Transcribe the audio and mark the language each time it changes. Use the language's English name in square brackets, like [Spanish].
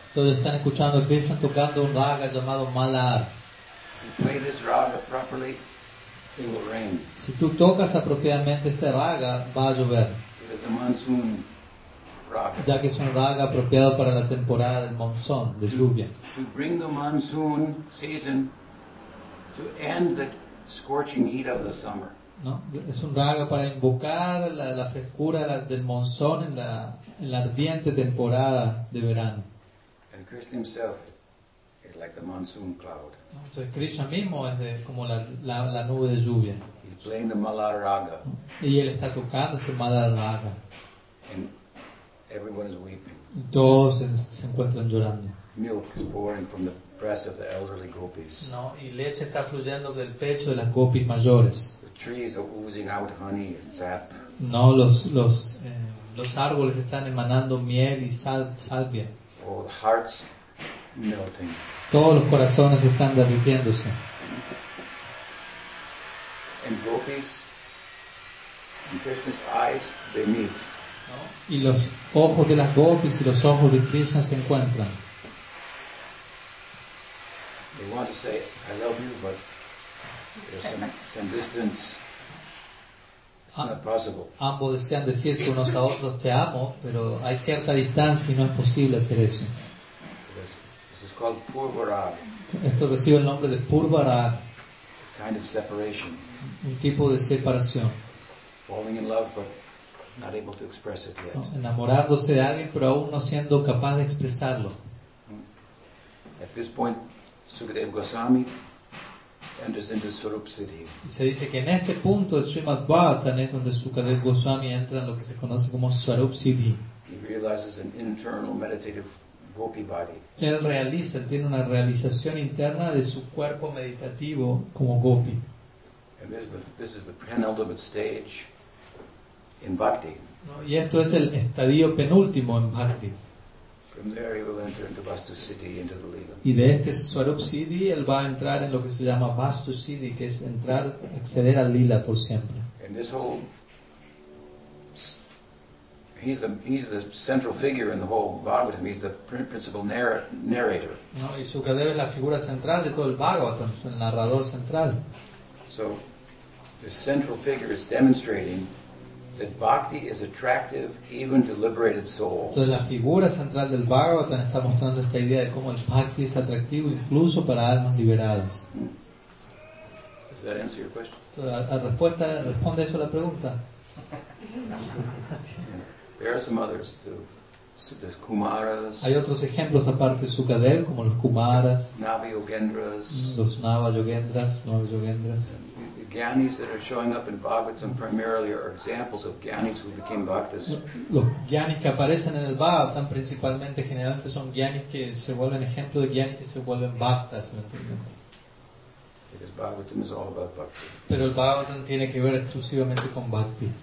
[Spanish] Entonces están escuchando a Krishna tocando un raga llamado Malar. [English] If you play this raga properly, it will rain. [Spanish] Si tú tocas apropiadamente este raga, va a llover. [English] It is a monsoon raga. [Spanish] Ya que es un raga apropiado para la temporada del monzón, de lluvia. [English] To bring the monsoon season to end the scorching heat of the summer. [Spanish] ¿No? Es un raga para invocar la frescura del monzón en la ardiente temporada de verano. [English] And Krishna himself is like the monsoon cloud. [Spanish] ¿No? Entonces Krishna mismo es como la nube de lluvia. [English] He's playing the Malar Raga. [Spanish] ¿No? Y él está tocando este Malar Raga. [English] And everyone is weeping. [Spanish] Y todos se encuentran llorando. [English] Milk is pouring from the breast of the elderly gopis. [Spanish] ¿No? Y leche está fluyendo del pecho de las gopis mayores. [English] Trees are oozing out honey and sap. [Spanish] No, los árboles están emanando miel y salvia. [English] All hearts melting. [Spanish] Todos los corazones están derritiéndose. [English] And gopis, in Krishna's eyes, they meet. [Spanish] ¿No? Y los ojos de las gopis y los ojos de Krishna se encuentran. [English] They want to say, I love you, but there's some distance. It's not possible. [Spanish] Ambos desean decirse unos a otros te amo, pero hay cierta distancia y no es posible hacer eso. [English] So this is called Purvarag. [Spanish] Esto recibe el nombre de Purvarag. [English] Kind of separation. [Spanish] Un tipo de separación. [English] Falling in love, but not able to express it yet. [Spanish] Enamorándose de alguien, pero aún no siendo capaz de expresarlo. [English] At this point, Sukadeva Goswami enters into Swarup Siddhi. [Spanish] Y se dice que en este punto el Srimad Bhagavatam es donde Sukadeva Goswami entra en lo que se conoce como Swarup Siddhi. [English] He realizes an internal meditative gopi body. [Spanish] Él realiza, tiene una realización interna de su cuerpo meditativo como gopi. [English] And this is the penultimate stage in bhakti. [Spanish] ¿No? Y esto es el estadio penúltimo en bhakti. [English] From there he will enter into Vastu Siddhi, into the Lila. [Spanish] Y de este Swarup Siddhi, él va a entrar en lo que se llama Vastu Siddhi, que es entrar, acceder al Lila por siempre. [English] And this whole, he's the central figure in the whole Bhagavatam. He's the principal narrator. [Spanish] No, y Sukadeva es la figura central de todo el Bhagavatam, el narrador central. [English] So, this central figure is demonstrating that bhakti is attractive even to liberated souls. [Spanish] Entonces la figura central del Bhagavatam está mostrando esta idea de cómo el bhakti es atractivo incluso para almas liberadas. [English] Does that answer your question? [Spanish] La respuesta responde eso a la pregunta. [English] There are some others too. So there's Kumaras. [Spanish] Hay otros ejemplos aparte de Sukadev, como los Kumaras. [English] Navayogendras. [Spanish] Los Navayogendras. [English] Gyanis that are showing up in Bhagavatam primarily are examples of Gyanis who became Bhaktas. [Spanish] Los Gyanis que aparecen en el Bhagavatam principalmente generalmente son Gyanis que se vuelven ejemplo de Gyanis que se vuelven Bhaktas. [English] Because Bhagavatam is all about Bhakti. [Spanish] Pero el Bhagavatam tiene que ver exclusivamente con Bhakti.